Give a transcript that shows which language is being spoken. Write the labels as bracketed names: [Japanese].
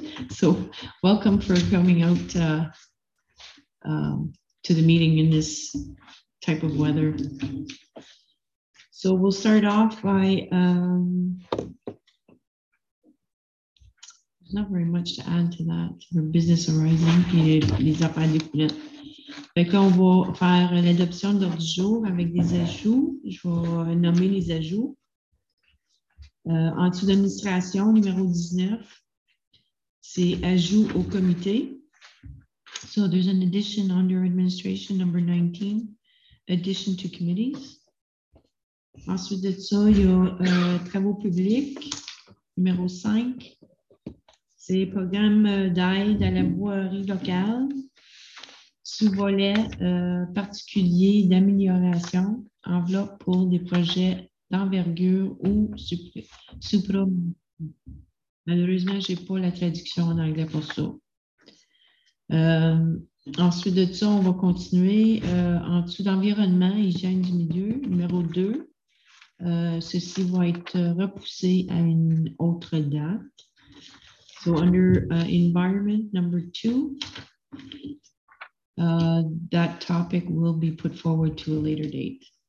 [English] So, welcome for coming out to the meeting in this type of weather. So we'll start off by not very much to add to that for business arising [French] et les affaires découlantes. Fait qu'on va faire l'adoption d'ordre du jour avec des ajouts. Je vais nommer les ajouts. En dessous d'administration, numéro 19, c'est ajout au comité. [English] So there's an addition under administration, number 19, addition to committees. [French] Ensuite de ça, il y a travaux publics, numéro 5. C'est programme d'aide à la voirie locale. Sous-volet particulier d'amélioration, enveloppe pour des projets d'envergure ou supramontane. Malheureusement, je n'ai pas la traduction en anglais pour ça. Ensuite de ça, on va continuer en dessous d'environnement, hygiène du milieu, numéro 2. Ceci va être repoussé à une autre date. [English] So, under environment, number 2. That topic will be put forward to a later date.